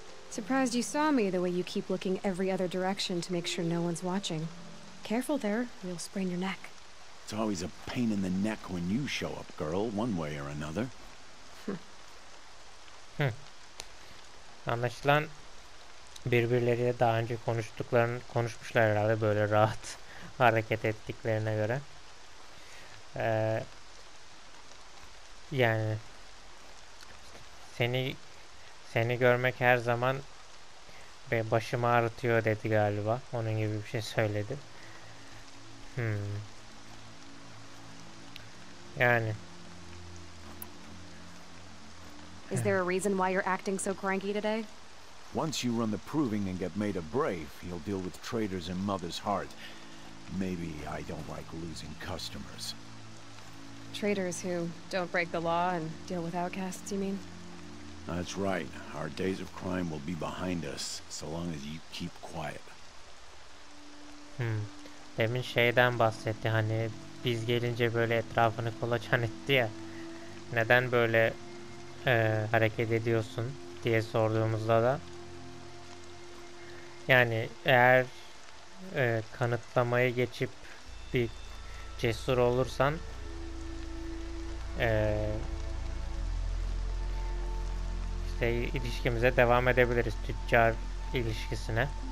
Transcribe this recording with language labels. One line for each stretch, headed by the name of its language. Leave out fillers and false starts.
English: Surprised you saw me the way you keep looking every other direction to make sure no one's watching. Careful there, you'll sprain your neck. It's always a pain in the neck when you show up, girl, one way or another.
Turkish: Anlaşılan birbirleriyle daha önce konuşmuşlar herhalde böyle rahat hareket ettiklerine göre. Yani seni görmek her zaman ve başımı ağrıtıyor dedi galiba. Onun gibi bir şey söyledi. Yani
English: is there a reason why you're acting so cranky today? Once you run the proving and get made a brave, you'll deal with traitors in mother's heart. Maybe I don't like losing customers. Traitors who don't break the law and deal with outcasts, you mean? That's right. Our days of crime will be behind us, so long as you keep quiet. Hmm.
Turkish: Demin şeyden bahsetti, hani biz gelince böyle etrafını kolaçan etti ya. Neden böyle hareket ediyorsun diye sorduğumuzda da. Yani eğer kanıtlamayı geçip bir cesur olursan işte ilişkimize devam edebiliriz, tüccar ilişkisine.